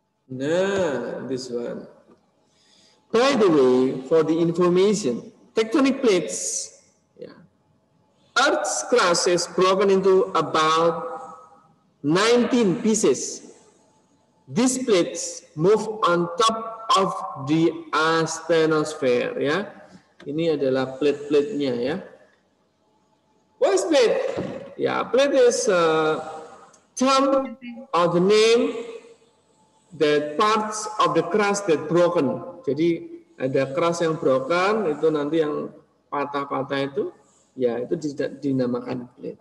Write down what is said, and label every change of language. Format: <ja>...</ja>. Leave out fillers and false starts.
<en>Nah, this one. By the way, for the information, tectonic plates. Yeah, Earth's crust is broken into about 19 pieces. These plates move on top of the asthenosphere.</en> <id>Yeah, ini adalah plate-platenya.</id> <en>Yeah, what is plate? Yeah, plate is a term or the name that parts of the crust that broken.</en> <id>Jadi ada crust yang broken itu nanti yang patah-patah itu, ya itu tidak dinamakan plate.</id>